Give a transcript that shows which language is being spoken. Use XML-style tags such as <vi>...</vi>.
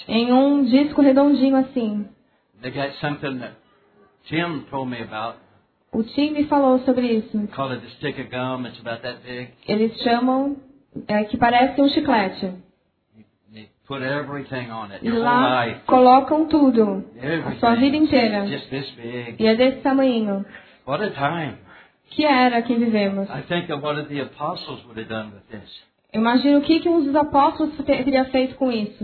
<pt>Em um disco redondinho assim.</pt> <en>They got something that Tim told me about.</en> <pt>O Tim me falou sobre isso.</pt> <en>They call it a stick of gum. It's about that big.</en> <pt>Eles chamam é que parece um chiclete.</pt> <en>Put everything on it,</en> <pt>e lá colocam tudo.</pt> <en>Everything.</en> <pt>A sua vida inteira.</pt> <en>Just this big.</en> <pt>E é desse tamanho.</pt> <en>What a time.</en> <pt>Que era que vivemos.</pt> <en>I think of what the apostles would have done with this.</en> <pt>Imagina o que, que um dos apóstolos teria feito com isso.</pt>